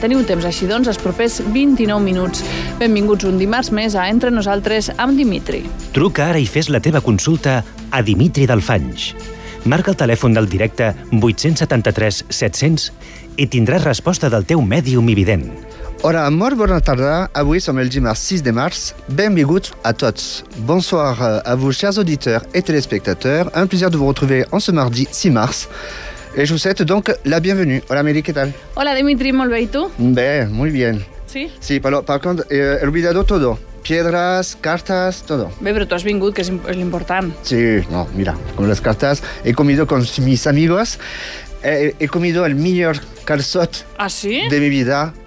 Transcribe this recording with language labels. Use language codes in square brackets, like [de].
[ca] Teniu temps així, doncs, els propers 29 minuts. Benvinguts un dimarts més a Entre nosaltres amb Dimitri. Truca ara i fes la teva consulta a Dimitri Dalfanys. Marca el telèfon del directe 873-700 i tindràs resposta del teu mèdium i vident. Hola, molt bona tarda. Avui som el dimarts 6 de març. Benvinguts a tots. [fr] Bonsoir a vous, chers auditeurs et téléspectateurs. Un plaisir de vous retrouver en ce mardi 6 mars. Et je vous souhaite donc la bienvenue. [es] Hola, Mary, ¿qué tal? [ca] Hola, Dimitri, molt bé, i tu? Bé, [es] muy bien. Sí, sí, pero por contra, he olvidado todo. Piedras, cartas, todo. [ca] Bé, però tu has vingut, que és l'important. [es] Sí, no, mira, con las cartas he comido con mis amigos. He comido el mejor calzot. ¿Ah, sí? De mi vida.